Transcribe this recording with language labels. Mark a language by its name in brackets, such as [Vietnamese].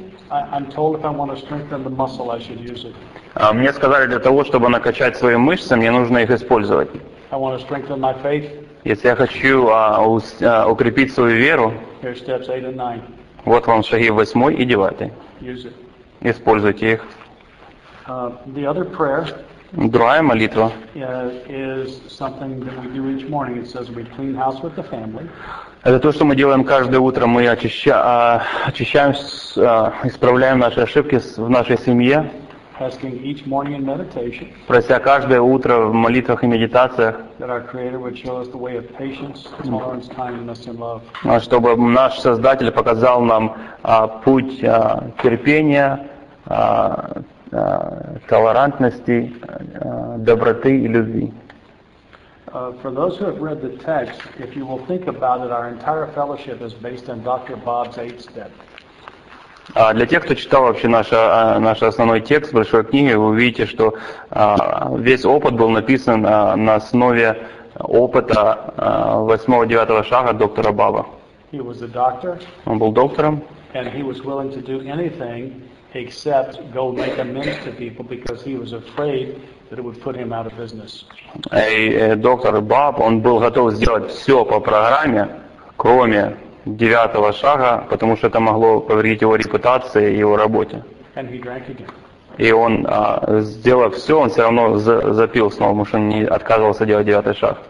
[English] I'm told if I want to strengthen the muscle, I should use it. [Russian] Мне сказали для того, чтобы накачать свои мышцы, мне нужно их использовать. [English] I want to strengthen my faith. [Russian] Если я хочу укрепить свою веру. [English] Here's steps 8 and 9. [Russian] Вот вам шаги 8 и 9. [English] Use it. [Russian] Используйте их. [English] The other prayer. [Russian] Другая молитва. [English] Is something that we do each morning. It says we clean house with the family. [Russian] Это то, что мы делаем каждое утро. Мы очищаем, исправляем наши ошибки в нашей семье, [English] asking each morning in meditation, [Russian] прося каждое утро в молитвах и медитациях, [English] that our Creator would show us the way of patience, tolerance, kindness, and love. [Russian] Чтобы наш Создатель показал нам путь терпения, толерантности, доброты и любви. [English] For those who have read the text, if you will think about it, our entire fellowship is based on Dr. Bob's 8 step. [Russian] Для тех, кто читал вообще наш основной текст большой книги, вы увидите, что весь опыт был написан на основе опыта 8-9 шага доктора Баба. [English] He was a doctor. [Russian] Он был доктором. [English] And he was willing to do anything except go make amends to people because he was afraid that it would put him out of business. [Russian] Эй, доктор Баб, он был готов сделать все по программе, кроме девятого шага, потому что это могло повредить его репутации и его работе. [English] And he drank again. [Russian] И он сделал все, он все равно запил снова, потому что он не отказывался делать девятый шаг.